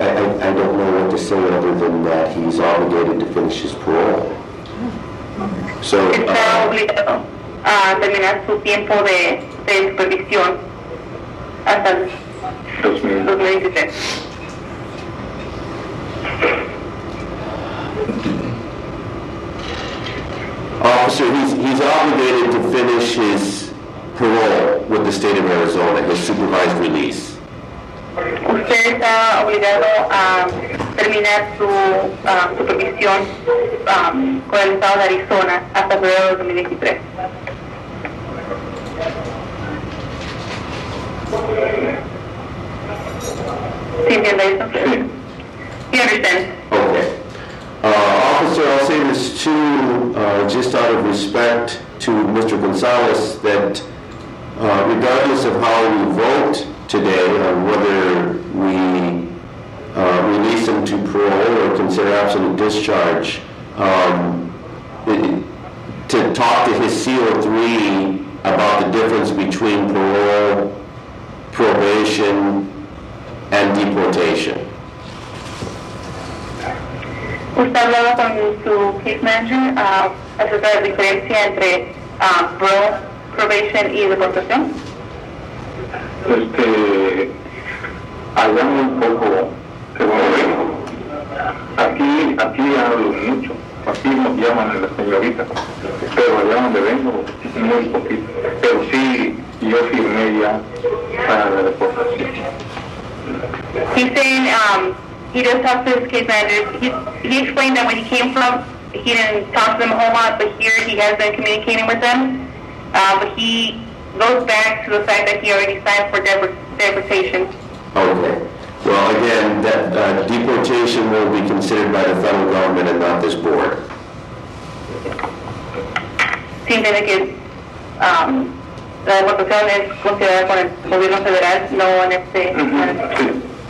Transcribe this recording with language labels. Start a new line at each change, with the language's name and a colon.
English: I don't know what to say other than that he's obligated to finish his parole. So,
Spanish: está obligado a terminar su tiempo de supervisión hasta el 2023.
English: Officer, he's obligated to finish his parole with the state of Arizona, his supervised release.
Spanish: Usted está obligado a terminar su supervisión con el estado de Arizona hasta febrero de 2023. ¿Sí entiende eso? Sí. ¿Sí entiende? Officer, I'll say this too, just out of respect to Mr. Gonzalez, that regardless of how we vote today on whether we release him to parole or consider absolute discharge, to talk to his CO3 about the difference between parole, probation, and deportation. ¿Usted ha hablado con su case manager acerca de la diferencia entre probation y deportación? Este, allá muy poco se mueven. Aquí hablo mucho, aquí nos llaman a la señorita, pero allá donde vengo muy poquito. Pero sí, yo firmé ya para la deportación.
English: He's saying he does talk to his case managers. He explained that when he came from, he didn't talk to them a whole lot, but here he has been communicating with them. But he goes back to the fact that he already signed for deportation. Okay. Well, again, that deportation will be considered by the federal government and not this board.
Spanish: Sí, tiene que la deportación es considerada por el gobierno federal, no en este.